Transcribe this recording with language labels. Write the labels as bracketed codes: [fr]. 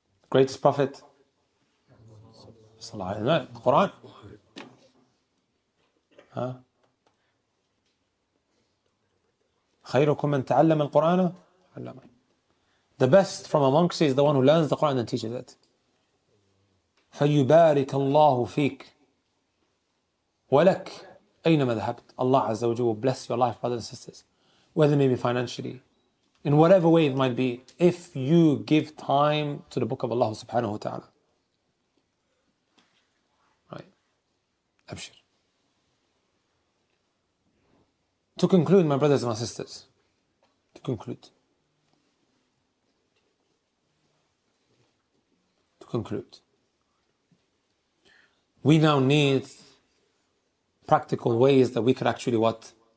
[en] Greatest Prophet? Sallallahu alayhi wa sallam. Quran. [ar] خيركم من تعلم القرآن. [en] The best from amongst you is the one who learns the Quran and teaches it. [ar] فيبارك الله فيك ولك أينما ذهبت. [en] Allah Azza wa Jalla will bless your life, brothers and sisters. Whether maybe financially, in whatever way it might be, if you give time to the book of Allah subhanahu wa ta'ala. Right. Abshir. To conclude, my brothers and my sisters, to conclude, we now need practical ways that we could actually what?